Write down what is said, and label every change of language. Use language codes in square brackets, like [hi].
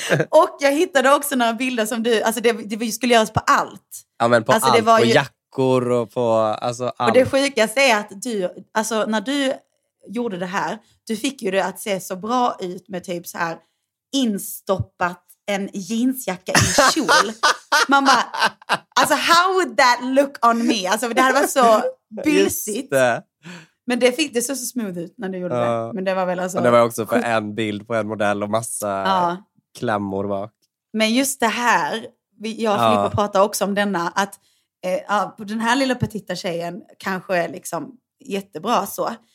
[sv] Och jag hittade också några bilder som du, alltså det skulle göras på allt. Ja, men på alltså, allt. Det var ju, på jackor och på alltså, allt. Och det sjukaste är att du, alltså när du gjorde det här, du fick ju det att se så bra ut med typ så här instoppat en jeansjacka i en kjol. Man bara, alltså [en] how would that look on me? [sv] Alltså det här var så busigt. Men det fick det så smooth ut när du gjorde det. Men det var väl alltså. Och det var också för en bild på en modell och massa klämmor bak. Men just det här, jag och Filippa pratade också om denna, att på den här lilla petita tjejen kanske är liksom jättebra så.